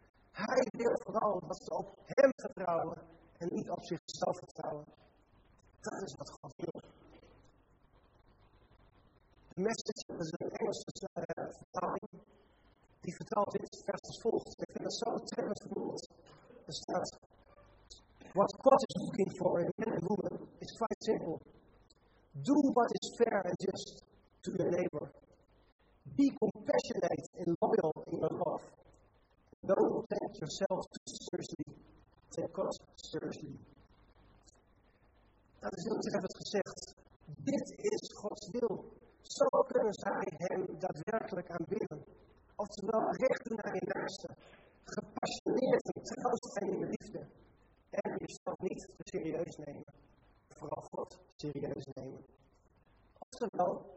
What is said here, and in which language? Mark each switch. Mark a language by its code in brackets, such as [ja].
[nl] Hij wil vooral dat ze op hem vertrouwen en niet op zichzelf vertrouwen. Dat is wat God wil. De message is een Engelse vertaling. Die vertaalt dit vers als volgt. Ik vind het zo treffend verwoord. Er staat: [en] what God is looking for in men and women is quite simple. Do what is fair and just to your neighbor. Be compassionate and loyal in your love. Don't take yourself too seriously. Take God seriously. [nl] Dat is heel treffend gezegd. Dit is Gods wil. Zo kunnen zij hem daadwerkelijk aanbidden. Oftewel recht doen naar je naaste. Gepassioneerd en trouw zijn in de liefde. En jezelf niet te serieus nemen. Vooral God serieus nemen. Oftewel,